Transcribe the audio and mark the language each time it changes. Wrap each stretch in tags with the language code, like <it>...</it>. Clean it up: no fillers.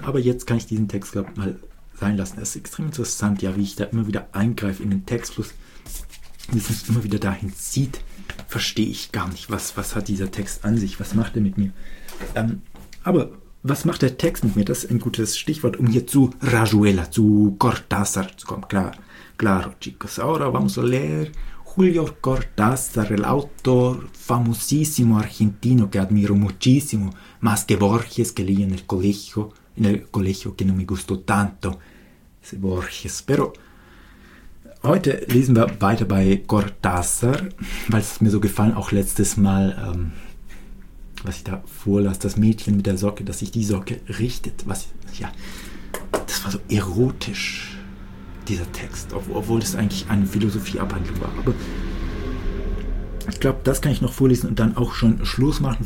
<de>Aber jetzt kann ich diesen Text, glaube ich, mal sein lassen. Es ist extrem interessant, ja, wie ich da immer wieder eingreife in den Textfluss, wie es uns immer wieder dahin zieht. Verstehe ich gar nicht, was hat dieser Text an sich, was macht er mit mir. Aber was macht der Text mit mir? Das ist ein gutes Stichwort, um hier zu Rajuela, zu Cortázar zu kommen.</de> <es>Claro, chicos, ahora vamos a leer. Julio Cortázar, el autor famosísimo argentino que admiro muchísimo, más que Borges, que leí en el colegio que no me gustó tanto, ese Borges. Pero</es> <de>heute lesen wir weiter bei Cortázar, weil es mir so gefallen, auch letztes Mal, was ich da vorlas, das Mädchen mit der Socke, dass sich die Socke richtet, was, ja, das war so erotisch. Dieser Text, obwohl es eigentlich eine Philosophieabhandlung war. Aber ich glaube, das kann ich noch vorlesen und dann auch schon Schluss machen.</de>